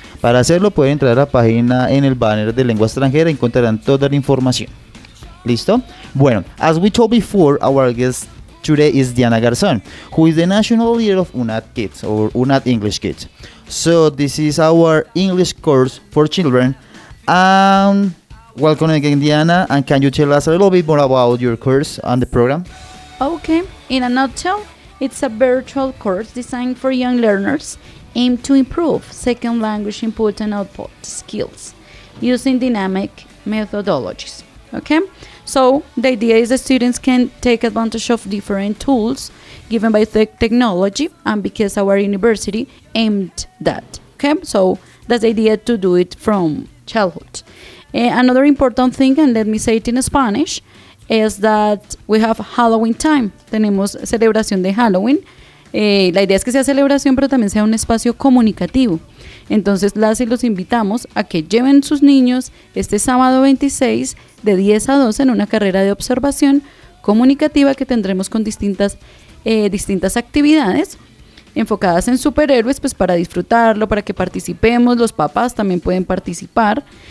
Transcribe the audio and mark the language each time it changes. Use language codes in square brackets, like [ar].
[es] Para hacerlo pueden entrar a la página en el banner de lengua extranjera y encontrarán toda la información. ¿Listo? [en] Bueno, as we told before, our guest today is Diana Garzón, who is the National Leader of UNAD Kids or UNAD English Kids. So, this is our English course for children. Welcome again, Diana, and can you tell us a little bit more about your course and the program? Okay, in a nutshell, it's a virtual course designed for young learners aimed to improve second language input and output skills using dynamic methodologies, okay? So the idea is that students can take advantage of different tools given by technology and because our university aimed that, okay? So that's the idea, to do it from childhood. Another important thing, and let me say it in Spanish, is that we have Halloween time. [es] Tenemos celebración de Halloween. La idea es que sea celebración, pero también sea un espacio comunicativo. Entonces, las y los invitamos a que lleven sus niños este sábado 26 de 10 a 12 en una carrera de observación comunicativa que tendremos con distintas actividades enfocadas en superhéroes, pues para disfrutarlo, para que participemos, los papás también pueden participar.